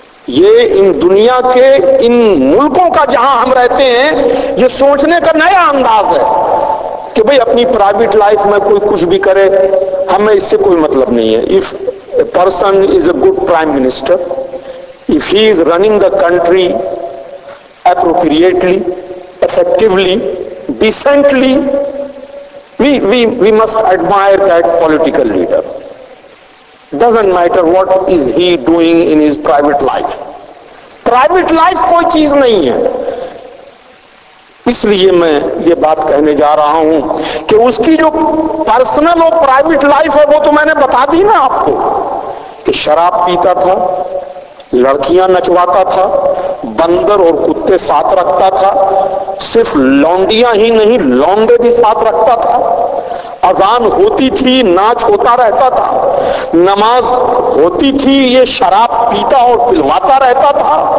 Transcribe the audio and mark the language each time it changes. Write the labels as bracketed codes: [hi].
[hi] ये इन दुनिया के इन मुल्कों का जहां हम रहते हैं ये सोचने का नया अंदाज है कि भाई अपनी प्राइवेट लाइफ में कोई कुछ भी करे हमें इससे कोई मतलब नहीं है. [en] If a person is a good prime minister, if he is running the country appropriately effectively decently we must admire that political leader. Doesn't matter what is he doing in his private life. [hi] Private life कोई चीज नहीं है. इसलिए मैं ये बात कहने जा रहा हूं कि उसकी जो पर्सनल और प्राइवेट लाइफ है वो तो मैंने बता दी ना आपको कि शराब पीता था, लड़कियां नचवाता था, बंदर और कुत्ते साथ रखता था, सिर्फ लौंडियां ही नहीं लौंडे भी साथ रखता था, अजान होती थी नाच होता रहता था, नमाज होती थी ये शराब पीता और पिलवाता रहता था.